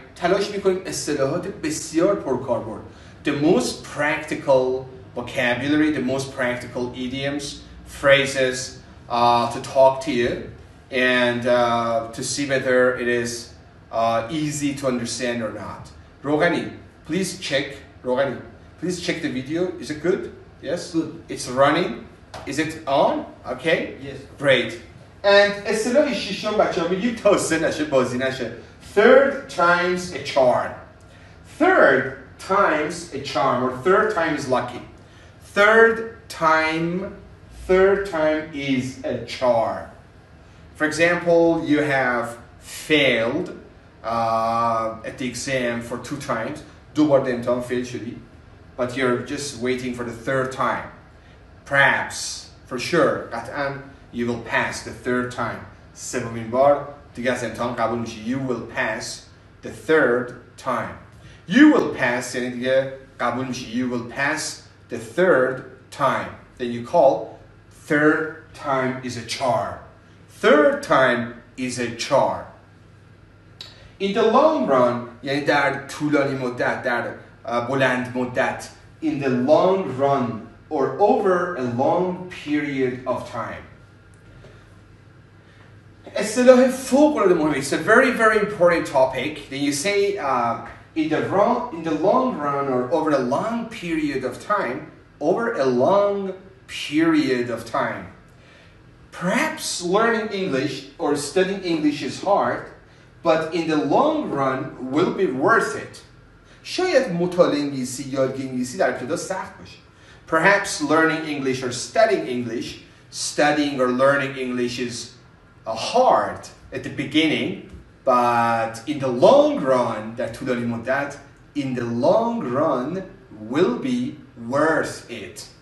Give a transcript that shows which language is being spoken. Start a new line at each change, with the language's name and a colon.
Persian: تلاش میکنیم اصطلاحات بسیار پرکاربرد.
English: The most practical vocabulary, the most practical idioms, phrases to talk to you and to see whether it is easy to understand or not. Rogani, please check. Rogani, please check the video. Is it good? Yes. Good. It's running. Is it on? Okay. Yes. Great.
Persian: And اصطلاح ششم بچه‌ها میگیم توسعه نشه، بازی نشه.
English: Third times a charm. Third times a charm or third time is lucky. Third time is a charm. For example, you have failed at the exam for two times.
Persian: دو بار امتحان فیل شدی.
English: But you're just waiting for the third time. Perhaps, for sure, قطعاً, you will pass the third time.
Persian: سومین بار دیگه از امتحان قبول میشی.
English: You will pass the third time. You will pass,
Persian: یعنی دیگه قبول میشی.
English: You will pass the third time. Then you call, third time is a charm. Third time is a charm. In the long run,
Persian: یعنی در طولانی مدت، در بلند مدت،
English: in the long run or over a long period of time.
Persian: اصطلاح فوق العاده مهمه.
English: It's a very very important topic. Then you say in the long run or over a long period of time, over a long period of time. Perhaps learning English or studying English is hard, but in the long run will be worth it.
Persian: شاید مطالعه انگلیسی یادگیری انگلیسی در ابتدا سخت باشه.
English: Perhaps learning English or studying or learning English is hard at the beginning, but in the long run,
Persian: در طولانی مدت,
English: in the long run will be worth it.